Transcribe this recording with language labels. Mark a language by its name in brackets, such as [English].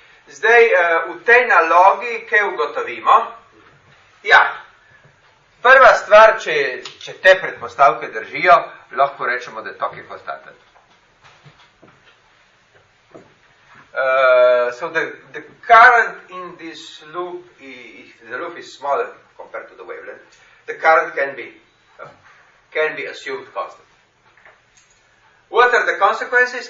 [Slovenian] Zdaj, v tej nalogi, kaj ugotovimo? Ja, prva stvar, če te predpostavke držijo, lahko rečemo, da tok je konstanten. [English] So the current in this loop, the loop is smaller compared to the wavelength, the current can be assumed constant. What are the consequences?